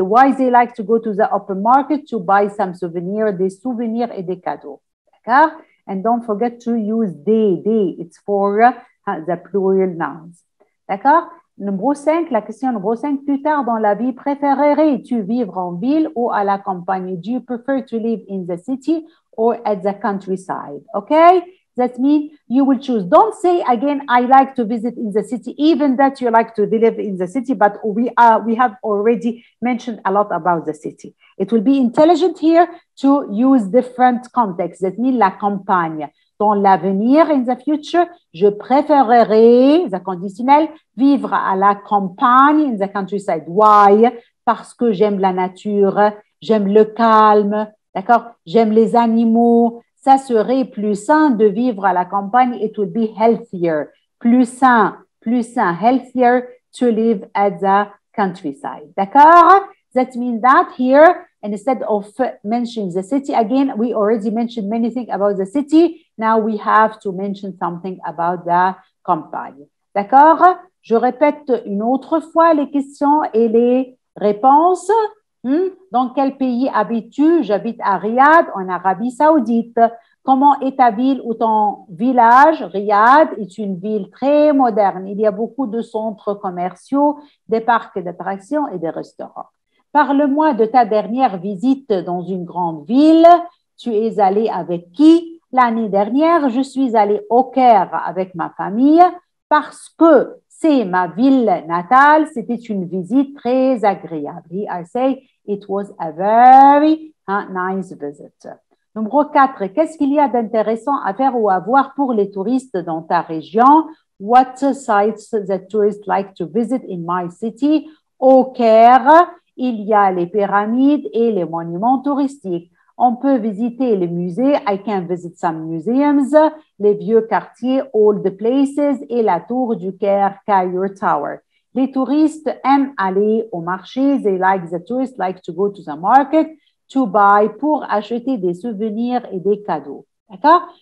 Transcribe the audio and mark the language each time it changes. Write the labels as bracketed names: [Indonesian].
[English] Why they like to go to the open market to buy some souvenirs, [French] des souvenirs et des cadeaux. D'accord? [English] And don't forget to use they. It's for the plural nouns. D'accord? [French] Numéro 5, la question numéro 5, plus tard dans la vie, préférerais-tu vivre en ville ou à la campagne? [English] Do you prefer to live in the city or at the countryside? Okay, that means you will choose. Don't say again, I like to visit in the city, even that you like to live in the city, but we have already mentioned a lot about the city. It will be intelligent here to use different contexts. That means la campagne. [French] Dans l'avenir, [English] in the future, [French] je préférerais, [English] the conditionnel, [French] vivre à la campagne, [English] in the countryside. Why? [French] Parce que j'aime la nature, j'aime le calme, d'accord? J'aime les animaux. Ça serait plus sain de vivre à la campagne. [English] It would be healthier, [French] plus sain, [English] healthier to live at the countryside. D'accord? That means that here, instead of mentioning the city again, we already mentioned many things about the city. Now we have to mention something about the campagne. [French] D'accord? Je répète une autre fois les questions et les réponses. Dans quel pays habites-tu? J'habite à Riyad, en Arabie Saoudite. Comment est ta ville ou ton village? Riyad est une ville très moderne. Il y a beaucoup de centres commerciaux, des parcs d'attractions et des restaurants. Parle-moi de ta dernière visite dans une grande ville. Tu es allé avec qui? L'année dernière, je suis allé au Caire avec ma famille parce que c'est ma ville natale. C'était une visite très agréable. [English] I say it was a very nice visit. [French] Numéro 4, qu'est-ce qu'il y a d'intéressant à faire ou à voir pour les touristes dans ta région? [English] What sites that tourists like to visit in my city? [French] Au Caire, il y a les pyramides et les monuments touristiques. On peut visiter les musées. [English] I can visit some museums, [French] les vieux quartiers, [English] old places [French] et la tour du Caire, Cairo Tower. Les touristes aiment aller au marché. [English] They like the tourists like to go to the market to buy [French] pour acheter des souvenirs et des cadeaux. D'accord?